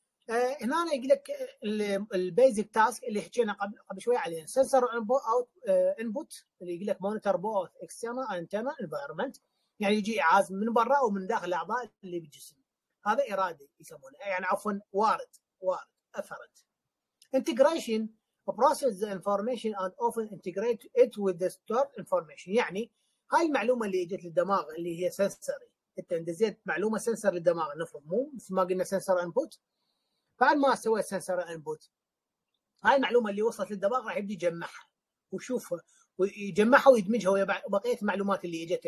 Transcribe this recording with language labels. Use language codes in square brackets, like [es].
[ar] هنا انا اقول لك البيزك تاسك اللي حكينا قبل شوي عليه، [en] sensor out input [ar] اللي يقول لك [en] monitor both external internal environment [ar] يعني يجي إعاز من برا أو من داخل الأعضاء اللي بالجسم، هذا إرادي يسمونه يعني عفواً وارد أفرد. [en] Integration process the information and often integrate it with the stored information. [ar] يعني هاي المعلومة اللي جت للدماغ اللي هي سنسري، أنت دزيت معلومة سنسر للدماغ نفرض مو مثل ما قلنا سنسر إنبوت، بعد ما سويت سنسر إنبوت هاي المعلومة اللي وصلت للدماغ راح يبدي يجمعها وشوفها ويجمعها ويدمجها ويا بقية المعلومات اللي اجته.